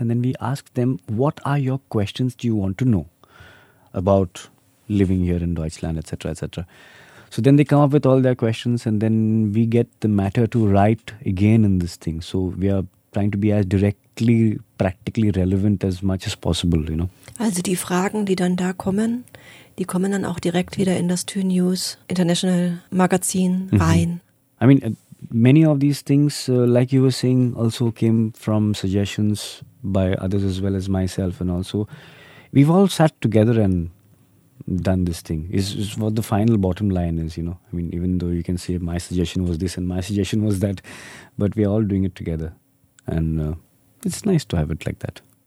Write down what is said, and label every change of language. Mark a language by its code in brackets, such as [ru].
[en] And then we ask them, what are your questions do you want to know about living here in Deutschland, etc., etc.? So then they come up with all their questions and then we get the matter to write again in this thing. So we are trying to be as directly, practically relevant as much as possible, you know. [de] Also die Fragen, die dann da kommen, die kommen dann auch direkt wieder in das Two News International Magazin rein. [en] Mm-hmm. I mean, many of these things, like you were saying, also came from suggestions by others as well as myself and also. We've all sat together and done this thing is what the final bottom line is, you know. I mean, even though you can say my suggestion was this and my suggestion was that, but we're all doing it together and it's nice to have it like that.